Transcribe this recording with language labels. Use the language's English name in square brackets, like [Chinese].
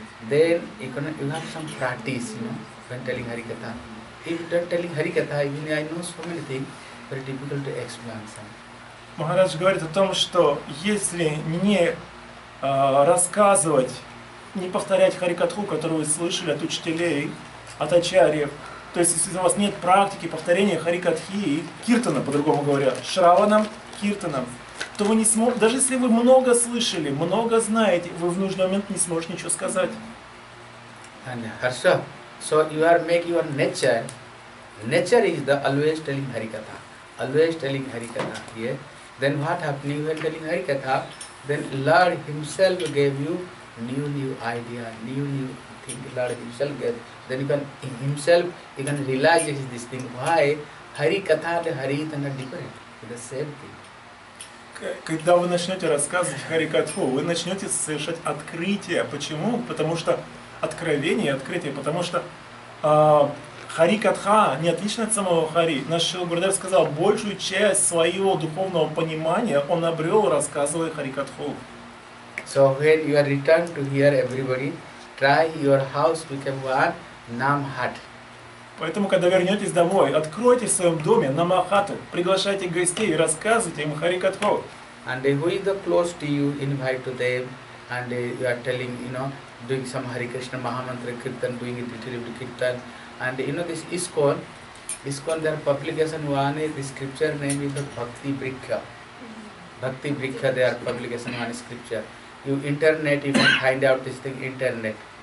[English] Then you have some practice, you know, when telling Harikatha. If you don't telling Harikatha, I know so many things, very difficult to explain some. [Russian] Махарадж говорит о том, что если не рассказывать, не повторять харикатху, которую вы слышали от учителей, от ачарьев, то есть если у вас нет практики повторения харикатхи и киртана, по-другому говоря, шраванам, киртанам, то вы не сможете, даже если вы много слышали, много знаете, вы в нужный момент не сможете ничего сказать. Хорошо. [English] So you are making your nature. Nature is the always telling harikatha. Always telling harikatha. Yeah. Then what happened? You were telling harikatha. Then Lord Himself gave you new idea, new thing. Lord Himself gave. Then you can Himself even realizes this thing. Why? Harikatha and haritana different. It's the same thing. [Russian] Когда вы начнете рассказывать харикатху, вы начнете совершать открытие. Почему? Потому что откровение, открытие, потому что харикатха не отлична от самого хари. Наш Шрила Гурудев сказал, большую часть своего духовного понимания он обрел, рассказывая харикатху. [English] So when you are returned to hear everybody, try your house become one namhat. [Russian] Поэтому, когда вернетесь домой, откройте в своем доме намахату, приглашайте гостей и рассказывайте им харикатху. [English] And who is the close to you, invite to them, and you are telling, you know, doing some Hare Krishna Mahamantra Kirtan, doing it little bit Kirtan. And you know this ISKCON, ISKCON their publication one is, the scripture name is the Bhakti Vrikha. Bhakti Vrikha, their publication one scripture. You internet, you can find out this thing, internet.